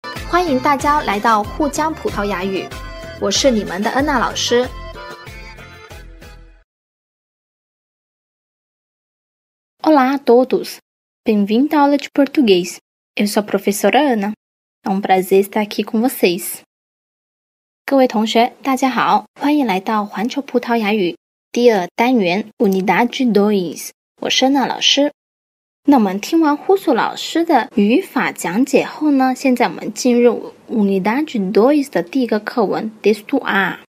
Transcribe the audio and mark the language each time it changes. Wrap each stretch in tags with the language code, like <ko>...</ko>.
<zh>欢迎大家来到沪江葡萄牙语，我是你们的安娜老师。</zh> <pt>Olá a todos, bem-vindo à aula de português. Eu sou a professora Ana. É um prazer estar aqui com vocês.</pt> <zh>各位同学，大家好，欢迎来到环球葡萄牙语第二单元 Unidade Dois. 我是安娜老师。那我们听完胡苏老师的语法讲解后呢，现在我们进入 Unidade Dois 的第一个课文 Destuar。</zh>